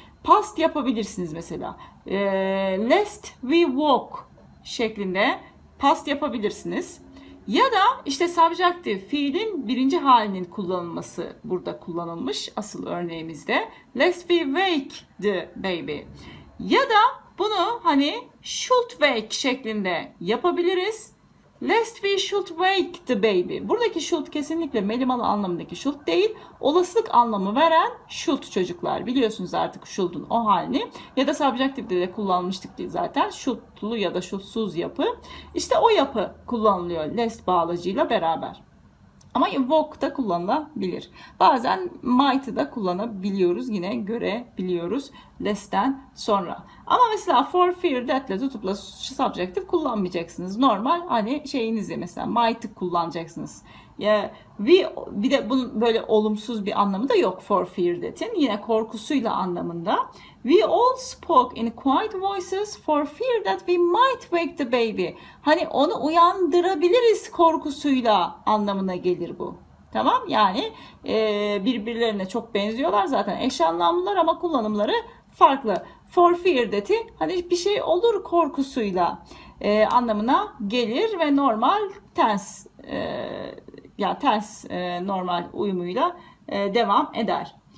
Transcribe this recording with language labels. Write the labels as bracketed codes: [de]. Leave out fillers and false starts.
[tr] Past yapabilirsiniz mesela. [en] Lest we walk [tr] şeklinde past yapabilirsiniz. Ya da işte subjective fiilin birinci halinin kullanılması burada kullanılmış asıl örneğimizde. [en] Lest we wake the baby. [tr] Ya da bunu hani should wake şeklinde yapabiliriz. [en] Lest we should wake the baby. [tr] Buradaki should kesinlikle melimalı anlamındaki should değil. Olasılık anlamı veren should çocuklar. Biliyorsunuz artık should'un o halini. Ya da subjective'de de kullanmıştık zaten. Should'lu ya da should'suz yapı. İşte o yapı kullanılıyor lest bağlacıyla beraber. Ama walk da kullanılabilir. Bazen might'ı da kullanabiliyoruz. Yine görebiliyoruz less'ten sonra. Ama mesela for fear that'le tutup da subjective kullanmayacaksınız. Normal hani şeyinizi mesela might'ı kullanacaksınız. Yeah, we, bir de bunun böyle olumsuz bir anlamı da yok for fear that'in. Yine korkusuyla anlamında. [en] We all spoke in quiet voices for fear that we might wake the baby. [tr] Hani onu uyandırabiliriz korkusuyla anlamına gelir bu. Tamam, yani birbirlerine çok benziyorlar zaten. Eş anlamlılar ama kullanımları farklı. For fear that'i hani bir şey olur korkusuyla anlamına gelir ve normal tense ya tense normal uyumuyla devam eder.